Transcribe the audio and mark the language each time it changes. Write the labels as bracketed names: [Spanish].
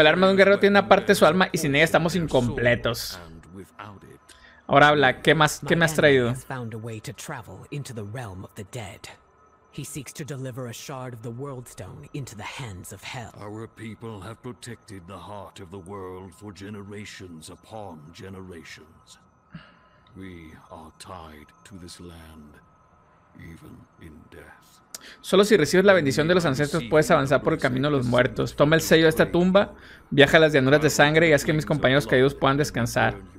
[Spanish] El arma de un guerrero tiene una parte de su alma y sin ella estamos incompletos. Ahora habla, ¿qué me has traído? [English] He found a way to travel into the realm of the dead. He seeks to deliver a shard of the world stone into the hands of hell. Our people have protected the heart of the world for generations upon generations. We are tied to this land, even in death. [Spanish] Solo si recibes la bendición de los ancestros puedes avanzar por el camino de los muertos. Toma el sello de esta tumba, viaja a las llanuras de sangre y haz que mis compañeros caídos puedan descansar.